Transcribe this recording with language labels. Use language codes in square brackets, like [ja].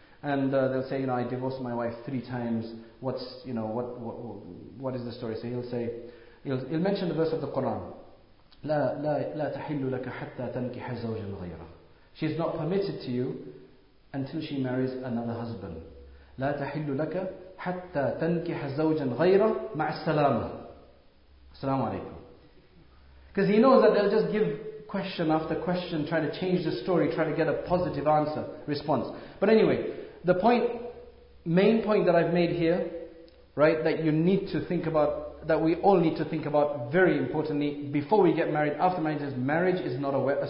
[en] And they'll say, you know, I divorced my wife 3 times. What's, you know, what is the story? So he'll say, he'll mention the verse of the Quran. [ar] لا تَحِلُّ لَكَ حَتَّى تَنْكِحَ زَوْجًا غَيْرًا [en] She's not permitted to you until she marries another husband. [ar] لا تَحِلُّ لَكَ حَتَّى تَنْكِحَ زَوْجًا غَيْرًا مَعَ السَّلَامَةِ Assalamu alaikum. [en] Because he knows that they'll just give question after question, try to change the story, try to get a positive answer, response. But anyway, the point, main point that I've made here, right, that you need to think about, that we all need to think about very importantly before we get married, after marriage, is marriage is not a weapon.